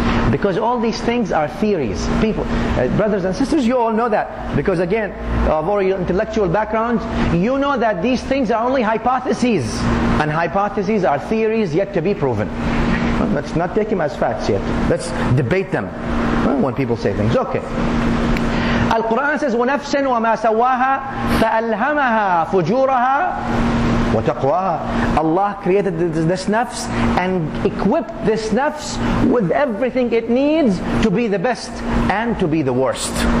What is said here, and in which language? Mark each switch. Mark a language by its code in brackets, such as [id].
[en] Because all these things are theories. People, brothers and sisters, you all know that. Because again, of all your intellectual background, you know that these things are only hypotheses. And hypotheses are theories yet to be proven. Let's not take them as facts yet. Let's debate them when people say things. Okay. Al-Quran says, [ar] وَنَفْسٍ وَمَا سَوَّاهَا فَأَلْهَمَهَا فُجُورَهَا وَتَقْوَاهَا. [en] Allah created this nafs and equipped this nafs with everything it needs to be the best and to be the worst.